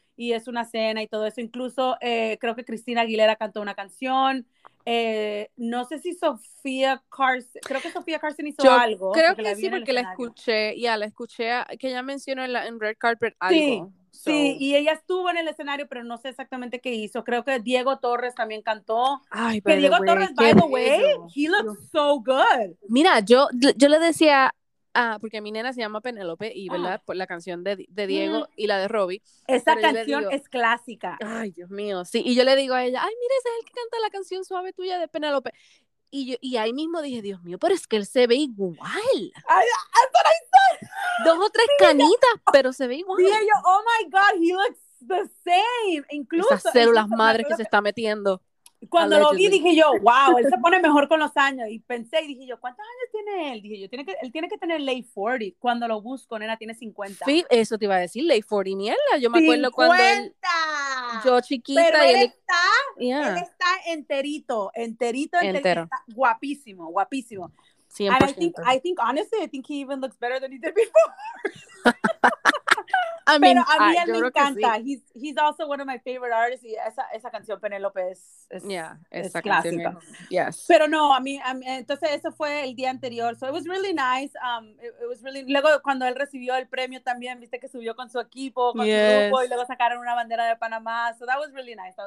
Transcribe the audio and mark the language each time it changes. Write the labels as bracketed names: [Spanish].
[Spanish] y es una cena y todo eso. Incluso creo que Christina Aguilera cantó una canción. No sé si Sofía Carson, creo que Sofía Carson hizo yo algo. Creo que la sí, porque la escuché, ya la escuché, que ella mencionó en, la, en Red Carpet algo. Sí, so. Sí, y ella estuvo en el escenario, pero no sé exactamente qué hizo. Creo que Diego Torres también cantó. Ay, que Diego [English] way, Torres, by the way, he looks so good. [Spanish] Mira, yo le decía, porque mi nena se llama Penélope, y verdad, por la canción de Diego y la de Robbie. Esa canción digo, es clásica. Ay, Dios mío, sí. Y yo le digo a ella, ay, mira, ese es el que canta la canción suave tuya de Penélope. Y yo, y ahí mismo dije, Dios mío, pero es que él se ve igual. Ay, dos o tres canitas, pero se ve igual. Y yo, [English] oh my God, he looks the same. [Spanish] Incluso esas células madres que se está metiendo. Cuando lo vi, dije yo, wow, él se pone mejor con los años. Y pensé, y dije yo, ¿cuántos años tiene él? Dije yo, él tiene que tener [English] late 40. [Spanish] Cuando lo busco, nena, tiene 50. Sí, eso te iba a decir, [English] late 40, [Spanish] mierda. Yo me acuerdo cuando él... Yo chiquita. Pero y él está, yeah. Él está enterito. Está guapísimo. 100%. [English] And I think he even looks better than he did before. I mean, [Spanish] pero a mí él me encanta. Sí. [English] He's also one of my favorite artists. [Spanish] Y esa canción Penélope es clásica. Canción, yes. Pero no, a mí, entonces eso fue el día anterior. [English] So it was really nice. It was really. [Spanish] Luego cuando él recibió el premio también, viste que subió con su equipo, con [English] yes. [Spanish] su grupo, y luego sacaron una bandera de Panamá. [English] So that was really nice.